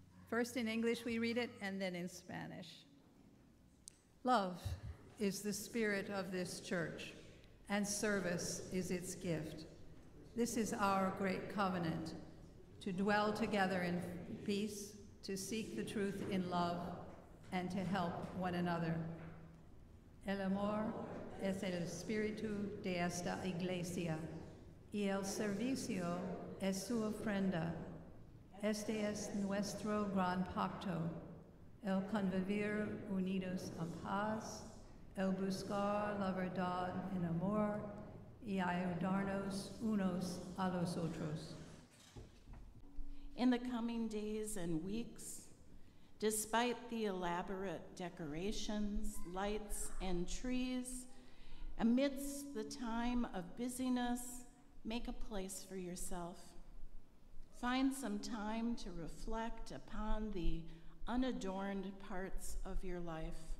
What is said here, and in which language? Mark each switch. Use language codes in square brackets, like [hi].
[en] First in English we read it, and then in Spanish. Love is the spirit of this church, and service is its gift. This is our great covenant. To dwell together in peace, to seek the truth in love, and to help one another. [es] El amor es el espíritu de esta iglesia, y el servicio es su ofrenda. Este es nuestro gran pacto, el convivir unidos en paz, el buscar la verdad en amor, y ayudarnos unos a los otros. [en] In the coming days and weeks, despite the elaborate decorations, lights, and trees, amidst the time of busyness, make a place for yourself. Find some time to reflect upon the unadorned parts of your life.